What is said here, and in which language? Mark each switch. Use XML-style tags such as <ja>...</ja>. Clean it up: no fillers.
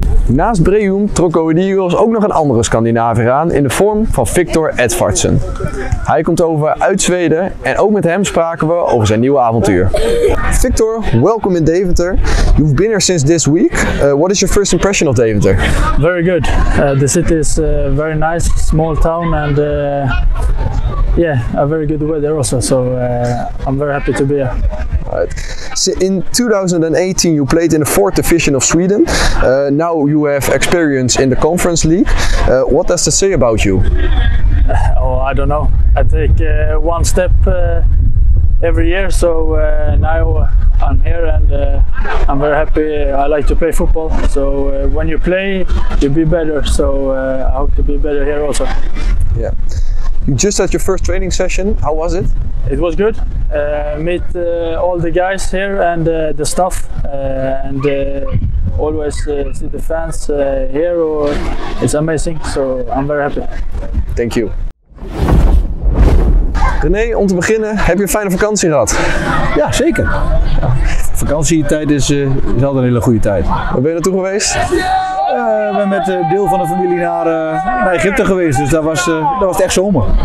<nl>Naast Breum trok Go Ahead Eagles ook nog een andere Scandinaviër aan in de vorm van Victor Edvardsen. Hij komt over uit Zweden en ook met hem spraken we over zijn nieuwe avontuur.</nl> <en>Victor, welcome in Deventer. You've been here since this week. What is your first impression of Deventer? Very good. The city is a very nice small town and a very good weather also. So I'm very happy to be here. Right. So in 2018 you played in the fourth division of Sweden. Now you have experience in the Conference League. What does that say about you? Oh, I don't know. I take one step every year, so now I'm here and I'm very happy. I like to play football, so when you play, you'll be better. So I hope to be better here also. Yeah. You just had your first training session. How was it? It was good. Meet all the guys here and the staff and always see the fans here. It's amazing, so I'm very happy. Thank you.</en> <nl>René, om te beginnen, heb je een fijne vakantie gehad? Ja, zeker. Ja. Vakantietijd is altijd een hele goede tijd. Waar ben je naartoe geweest? We zijn met een deel van de familie naar Egypte geweest, dus daar was het echt zomer.</nl>